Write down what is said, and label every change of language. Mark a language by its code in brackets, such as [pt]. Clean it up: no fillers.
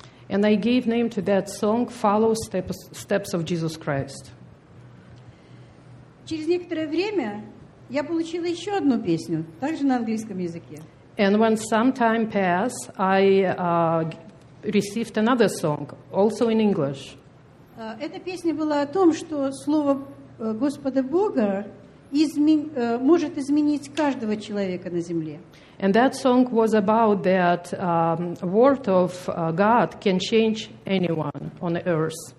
[en] And I gave name to that song «Follow steps of Jesus Christ». [ru] Через некоторое время я получила еще одну песню, также на английском языке. [en] And when some time passed, I received another song, also in English. [ru] Эта песня была о том, что слово Господа Бога может изменить каждого человека на земле. [en] And that song was about that word of God can change anyone on earth.